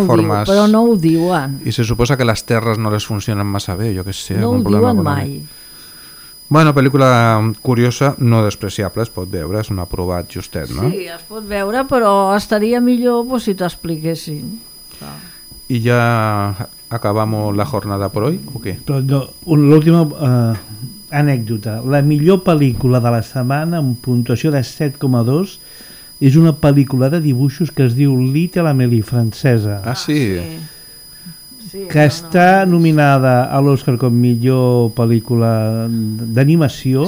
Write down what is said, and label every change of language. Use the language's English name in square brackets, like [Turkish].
[Catalan] de formes... Diu, però no ho diuen. I se suposa que les terres no les funcionen massa bé, jo què sé. No ho diuen econòmic. Mai. Bueno, pel·lícula curiosa, no despreciable, es pot veure, és un aprovat justet, no? Sí, es pot veure, però estaria millor pues, si t'expliquessin. [Spanish] ¿Y ya acabamos la jornada por hoy o qué? [Catalan] L'última anècdota. La millor pel·lícula de la setmana amb puntuació de 7,2 és una pel·lícula de dibuixos que es diu Little Amélie francesa. Ah, sí. Que està nominada a l'Oscar com millor pel·lícula d'animació.